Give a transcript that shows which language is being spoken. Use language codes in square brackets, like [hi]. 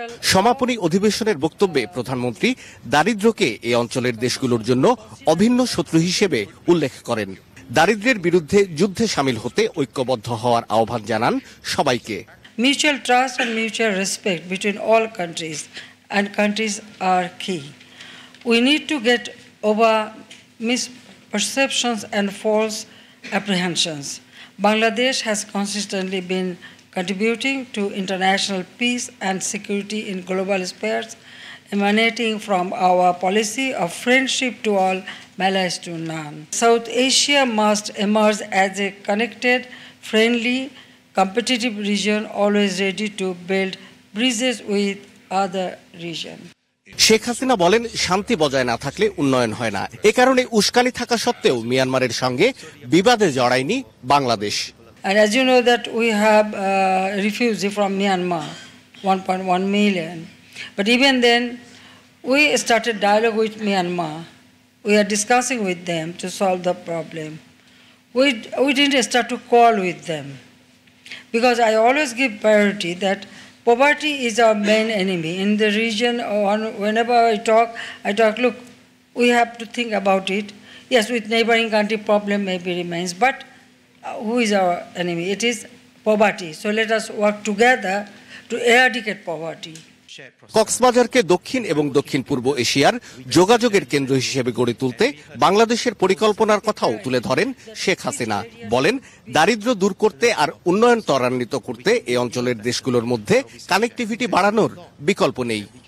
[bn] সমাপনী অধিবেশনের বক্তব্যে প্রধানমন্ত্রী দারিদ্র্যকে এই অঞ্চলের দেশগুলোর জন্য অভিন্ন শত্রু হিসেবে উল্লেখ করেন। দারিদ্র্যের বিরুদ্ধে যুদ্ধে সামিল হতে ঐক্যবদ্ধ হওয়ার আহ্বান জানান সবাইকে। [en] Mutual trust and mutual respect between all countries and countries are key. We need to get over misperceptions and false apprehensions. Bangladesh has consistently been contributing to international peace and security in global spheres, emanating from our policy of friendship to all, malice to none. South Asia must emerge as a connected, friendly, competitive region always ready to build bridges with other region. [bn] Sheikh Hasina বলেন, শান্তি বজায় না থাকলে উন্নয়ন হয় না, এ কারণে উস্কানি থাকা সত্ত্বেও মিয়ানমারের সঙ্গে বিবাদে জড়ায়নি Bangladesh. [en] And as you know that we have refugees from Myanmar 1.1 million but even then we started dialogue with Myanmar, we are discussing with them to solve the problem, we didn't start to call with them. Because I always give priority that poverty is our main enemy in the region. Whenever I talk, look, we have to think about it. Yes, with neighboring country problem maybe remains, but who is our enemy? It is poverty. So let us work together to eradicate poverty. [bn] কক্সবাজারকে দক্ষিণ এবং দক্ষিণ পূর্ব এশিয়ার যোগাযোগের কেন্দ্র হিসেবে গড়ে তুলতে বাংলাদেশের পরিকল্পনার কথাও তুলে ধরেন শেখ হাসিনা। বলেন, দারিদ্র দূর করতে আর উন্নয়ন ত্বরান্বিত করতে এই অঞ্চলের দেশগুলোর মধ্যে কানেক্টিভিটি বাড়ানোর বিকল্প নেই।